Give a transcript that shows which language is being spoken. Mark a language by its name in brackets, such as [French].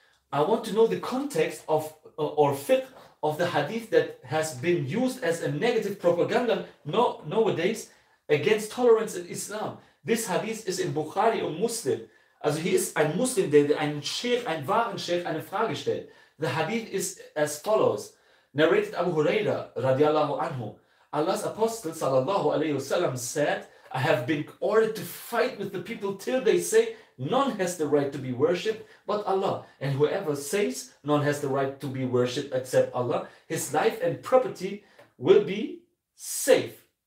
[English] I want to know the context of or fiqh of the hadith that has been used as a negative propaganda nowadays against tolerance in Islam. This hadith is in Bukhari und Muslim. [German] Also hier ist ein Muslim, der einen wahren Sheikh eine Frage stellt. [English] The hadith is as follows. Narrated Abu Huraira, radiallahu anhu. Allah's Apostle, sallallahu alayhi wa sallam, said, I have been ordered to fight with the people till they say, none has the right to be worshipped but Allah. And whoever says, none has the right to be worshipped except Allah, his life and property will be safe.